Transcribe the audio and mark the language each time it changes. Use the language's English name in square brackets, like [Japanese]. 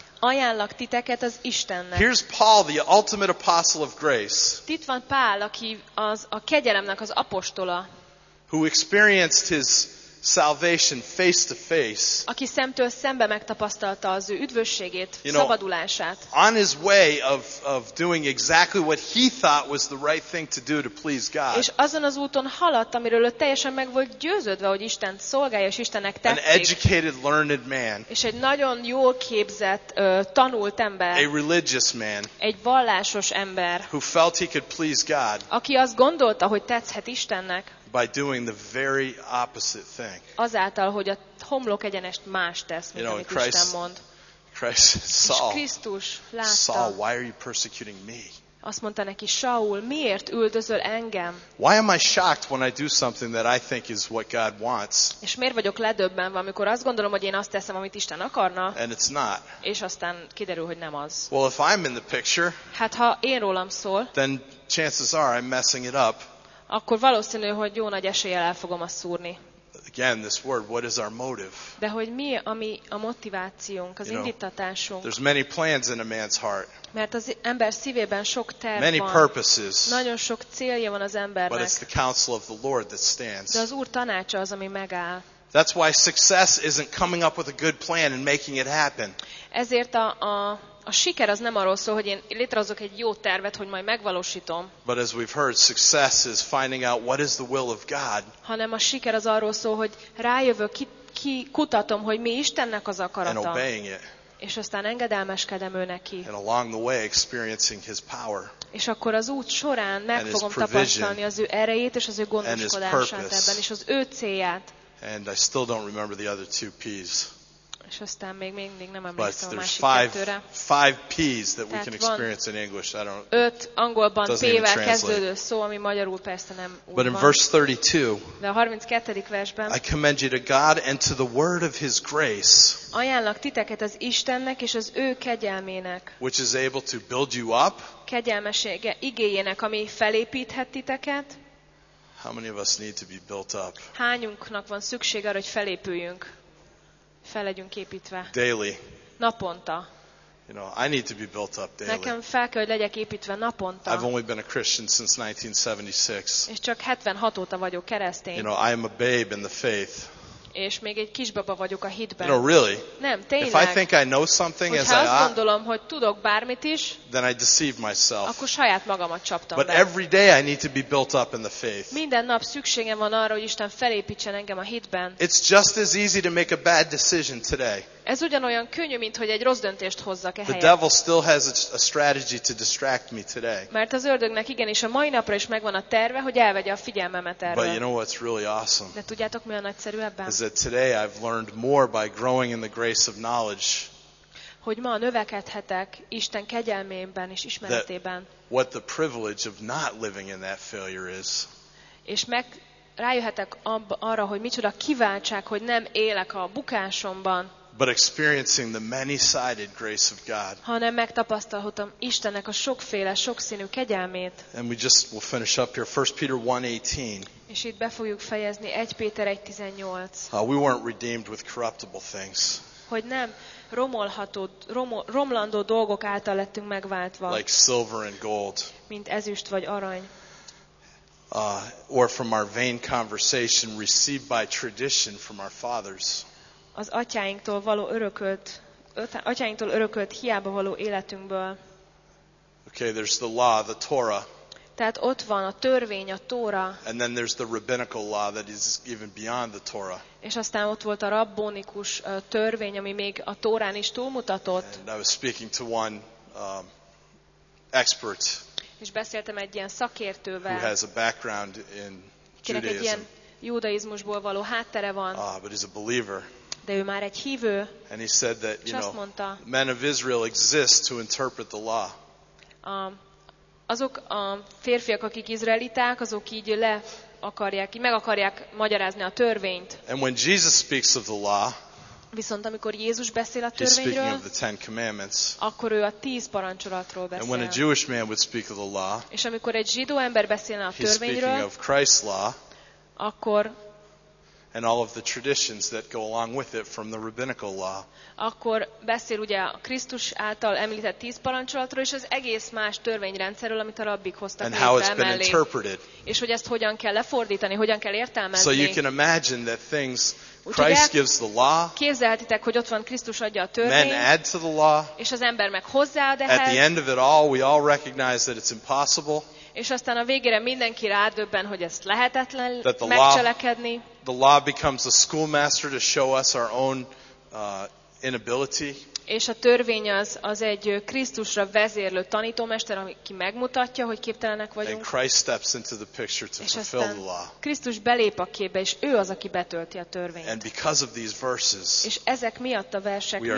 [Hungarian] Ajánlak titeket az Istennek. [English] Here's Paul, the ultimate apostle of grace. [Hungarian] Itt van Pál, aki az a kegyelemnek az apostola. [English] Who experienced his salvation face to face. [Hungarian] Aki szemtől szembe megtapasztalta az ő üdvösségét, [English] you know, [Hungarian] szabadulását. [English] On his way of doing exactly what he thought was the right thing to do to please God. [Hungarian] És azon az úton haladt, amiről ő teljesen meg volt győződve, hogy Isten szolgálja és Istennek tetszik. [English] An educated, learned man. [Hungarian] És egy nagyon jól képzett, tanult ember. [English] A religious man. [Hungarian] Egy vallásos ember. [English] Who felt he could please God. [Hungarian] Aki azt gondolta, hogy tetszhet Istennek. [English] By doing the very opposite thing. [Hungarian] Azáltal, hogy a homlok egyenest más tesz, mint amit Isten mond. [English] Christ, Saul, [Hungarian] és Krisztus látta. [English] Saul, why are you persecuting me? [Hungarian] Azt mondta neki, Saul, miért üldözöl engem? [English] Why am I shocked when I do something that I think is what God wants? [Hungarian] És miért vagyok ledöbbenve, amikor azt gondolom, hogy én azt teszem, amit Isten akarna? [English] And it's not. [Hungarian] És aztán kiderül, hogy nem az. [English] Well, if I'm in the picture, [Hungarian] hát ha én rólam szól, [English] then chances are I'm messing it up. [Hungarian] Akkor valószínű, hogy jó nagy eséllyel el fogom azt szúrni. [English] Again, this word, what is our motive? [Hungarian] De hogy mi ami a motivációnk, az indítatásunk. [English] You know, there's many plans in a man's heart. [Hungarian] Mert az ember szívében sok terv [English] many [Hungarian] van. [English] Purposes, [Hungarian] nagyon sok célja van az embernek. [English] But it's the counsel of the Lord that stands. [Hungarian] De az Úr tanácsa az, ami megáll. [English] That's why success isn't coming up with a good plan and making it happen. [Hungarian] Ezért a siker az nem arról szól, hogy én létrehozok egy jó tervet, hogy majd megvalósítom. [English] But as we've heard, success is finding out what is the will of God. [Hungarian] Hanem a siker az arról szól, hogy rájövök, ki kutatom, hogy mi Istennek az akarata. [English] And obeying it. [Hungarian] És aztán engedelmeskedem ő neki. [English] And along the way experiencing his power. [Hungarian] És akkor az út során meg fogom tapasztalni az ő erejét és az ő gondoskodását ebben, és az ő célját. [English] And I still don't remember the other two P's. [Hungarian] És aztán még mindig nem emlékszem a másik kettőre. [English] Five P's that we can experience in English. I don't. [Hungarian] Öt angolban P-vel kezdődő szó, ami magyarul persze nem úgy van. [English] But in verse 32. [Hungarian] De a 32. versben. [English] I commend you to God and to the word of His grace. [Hungarian] Ajánlak titeket az Istennek és az ő kegyelmének. [English] Which is able to build you up. [Hungarian] Kegyelmesége igéjének, ami felépíthet titeket. [English] How many of us need to be built up? [Hungarian] Hányunknak van szüksége arra, hogy felépüljünk? Fel legyünk építve. [English] Daily. [Hungarian] Naponta. [English] You know, I need to be built up daily. [Hungarian] Nekem fel kell, hogy legyek építve naponta. [English] I've only been a Christian since 1976. [Hungarian] És csak 76 óta vagyok keresztény. [English] You know, I am a babe in the faith. [Hungarian] És még egy kisbaba vagyok a hitben. [English] No, really. [Hungarian] Nem, tényleg. [English] If I think I know something, [Hungarian] hogy [English] as I [Hungarian] ought, gondolom, hogy tudok bármit is, [English] then I deceive myself. [Hungarian] Akkor saját magamat csaptam. [English] But be. Every day I need to be built up in the faith. [Hungarian] Minden nap szükségem van arra, hogy Isten felépítsen engem a hitben. [English] It's just as easy to make a bad decision today. [Hungarian] Ez ugyanolyan könnyű, mint hogy egy rossz döntést hozzak ehelyett. [English] The devil still has a strategy to distract me today. [Hungarian] Mert az ördögnek igenis a mai napra is megvan a terve, hogy elvegye a figyelmemet erről. [English] But you know what's really awesome? [Hungarian] De tudjátok, mi a nagyszerű ebben? [English] Is that today I've learned more by growing in the grace of knowledge. [Hungarian] Hogy ma növekedhetek Isten kegyelmében és ismeretében. [English] What the privilege of not living in that failure is. [Hungarian] És meg rájöhetek arra, hogy micsoda kiváltság, hogy nem élek a bukásomban. [English] But experiencing the many-sided grace of God. [Hungarian] Hanem megtapasztalhatom Istennek a sokféle, sokszínű kegyelmét. [English] And we just will finish up here. 1 Peter 1:18. [Hungarian] És itt be fogjuk fejezni 1 Péter 1:18. [English] We weren't redeemed with corruptible things. [Hungarian] Hogy nem romolható, romlandó dolgok által lettünk megváltva. [English] Like silver and gold. [Hungarian] Mint ezüst vagy arany. [English] Or from our vain conversation received by tradition from our fathers. [Hungarian] Az atyáinktól való atyáinktól örökölt hiába való életünkből. [English] Okay, there's the law, the Torah. [Hungarian] Tehát ott van a törvény, a Tóra. [English] And then there's the rabbinical law that is even beyond the Torah. [Hungarian] És aztán ott volt a rabbonikus törvény, ami még a Tórán is túlmutatott. [English] And I was speaking to one expert. [Hungarian] És beszéltem egy ilyen szakértővel. [English] Who has a background in Judaism. [Hungarian] Kinek egy ilyen judaizmusból való háttere van. [English] But he's a believer. [Hungarian] De ő már egy hívő. [English] And he said that, you know, [Hungarian] mondta, [English] men of Israel exist to interpret the law. [Hungarian] Azok a férfiak, akik izraeliták, azok így le akarják, így meg akarják magyarázni a törvényt. [English] And when Jesus speaks of the law, [Hungarian] viszont amikor Jézus beszél a törvényről, akkor ő a 10 parancsolatról beszél. [English] And when a Jewish man would speak of the law, [Hungarian] és amikor egy zsidó ember beszélne a törvényről, [English] speaking of Christ's law, [Hungarian] akkor [English] and all of the traditions that go along with it from the rabbinical law. [Hungarian] Akkor beszél ugye a Krisztus által említett 10 parancsolatról és az egész más törvényrendszerről, amit a rabbik hoztak létre. [English] And how it's been interpreted. [Hungarian] És hogy ezt hogyan kell lefordítani, hogyan kell értelmezni. [English] So you can imagine that things Christ gives the law. [Hungarian] Képzelhetitek, hogy ott van, Krisztus adja a törvényt. [English] Men add to the law. [Hungarian] És az ember meg hozzáad ehhez. [English] At the end of it all, we all recognize that it's impossible. [Hungarian] És aztán a végére mindenki rádöbben, hogy ezt lehetetlen megcselekedni. [English] The law becomes a schoolmaster to show us our own inability. [Hungarian] És a törvény az egy Krisztusra vezérlő tanítómester, aki megmutatja, hogy képtelenek vagyunk. [English] And Christ steps into the picture to fulfill the law. [Hungarian] Krisztus belép a képbe, és ő az, aki betölti a törvényt. [English] And because of these verses, [Hungarian] és ezek miatt a versek miatt,